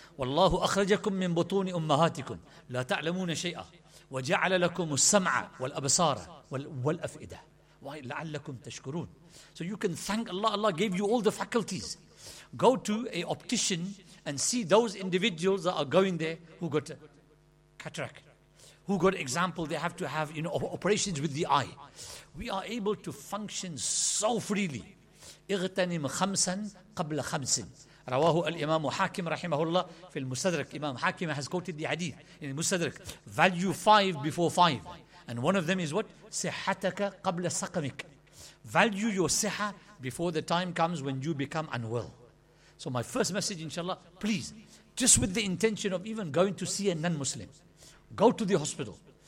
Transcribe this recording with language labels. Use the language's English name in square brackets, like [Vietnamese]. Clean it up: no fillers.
[Arabic] وَاللَّهُ أَخْرَجَكُمْ مِنْ بُطُونِ أُمَّهَاتِكُمْ لَا تَعْلَمُونَ شَيْئًا وَجَعَلَ لَكُمُ السَّمْعَ وَالْأَبْصَارَ وَالْأَفْئِدَةَ لَعَلَّكُمْ تَشْكُرُونَ. [English] So you can thank Allah. Allah gave you all the faculties. Go to a optician and see those individuals that are going there who got a cataract. Who got example, they have to have, you know, operations with the eye. We are able to function so freely. [Arabic] اغتنم خمسا قبل خمس رواه الإمام حاكم رحمه الله في المستدرك. [English] Imam Hakim has quoted the hadith in the Mustadrak. Value five before five. And one of them is what? [Arabic] صحتك قبل سقمك. [English] Value your صحة before the time comes when you become unwell. So my first message, inshallah, please, just with the intention of even going to see a non-Muslim, go to the hospital.